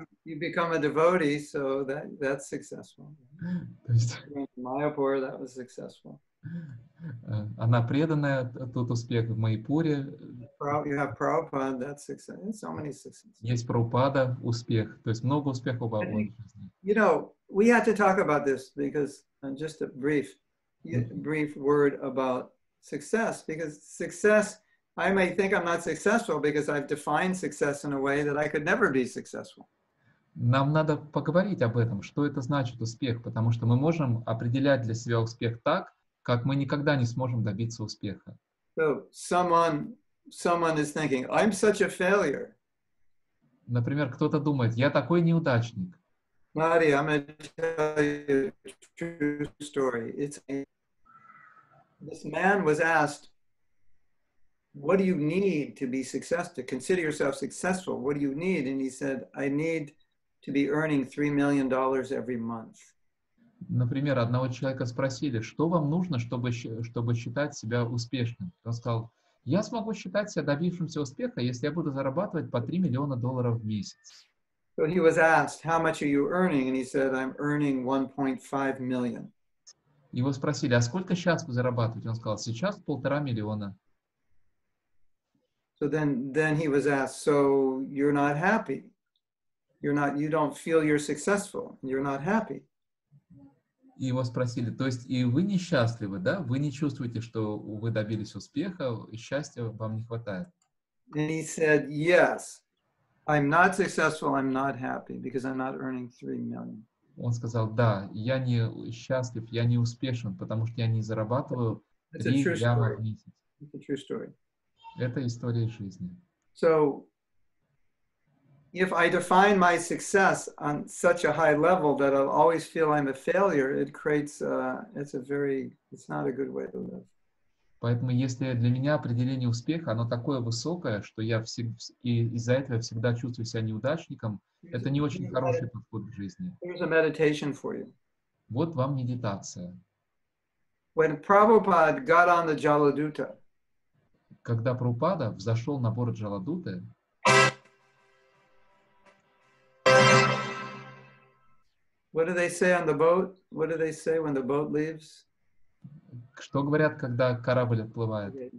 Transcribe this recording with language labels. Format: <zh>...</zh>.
<en>You become a devotee, so that's successful.</en> <ru>То есть,</ru> <en>in Майяпуре, that was successful.</en> <ru>Она преданная, тот успех в Майяпуре.</ru> <en>You have Prabhupada, that's success. So many successes.</en> <ru>Есть Прабхупада, успех. То есть много успехов в его жизни.</ru> <en>You know, we had to talk about this because just a brief word about success, because success, I may think I'm not successful because I've defined success in a way that I could never be successful.</en> <ru>Нам надо поговорить об этом, что это значит успех, потому что мы можем определять для себя успех так, как мы никогда не сможем добиться успеха.</ru> <en>So someone is thinking, I'm such a failure.</en> <ru>Например, кто-то думает, я такой неудачник.</ru> <en>Мари, I'm going to tell you a true story. This man was asked, what do you need to be successful, to consider yourself successful? What do you need? And he said, I need to be earning $3 million every month.</en> <ru>Например, одного человека спросили, что вам нужно, чтобы считать себя успешным? Он сказал, я смогу считать себя добившимся успеха, если я буду зарабатывать по $3 million в месяц.</ru> <en>So he was asked, how much are you earning? And he said, I'm earning $1.5 million.</en> <ru>Его спросили, а сколько сейчас вы зарабатываете? Он сказал, сейчас $1.5 million.</ru> <en>So then he was asked, so you're not happy. You don't feel you're successful. You're not happy.</en> <ru>И его спросили, то есть и вы несчастливы, да? Вы не чувствуете, что вы добились успеха, и счастья вам не хватает?</ru> <en>And he said, yes, I'm not successful, I'm not happy, because I'm not earning $3 million.</en> <ru>Он сказал, да, я не счастлив, я не успешен, потому что я не зарабатываю $3 million в месяц.</ru> <en>It's a true story.</en> <ru>Это история жизни.</ru> <en>So, if I define my success on such a high level that I'll always feel I'm a failure, it creates it's not a good way to live.</en> <ru>Поэтому если для меня определение успеха, оно такое высокое, что я из-за этого всегда чувствую себя неудачником, это не очень хороший подход к жизни.</ru> <en>Here's a meditation for you.</en> <ru>Вот вам медитация.</ru> <en>When Prabhupada got on the Jaladuta,</en> <ru>когда Прабхупада взошел на борт Джаладуты,</ru> <en>what do they say on the boat? What do they say when the boat leaves?</en> <ru>Что говорят, когда корабль отплывает?</ru>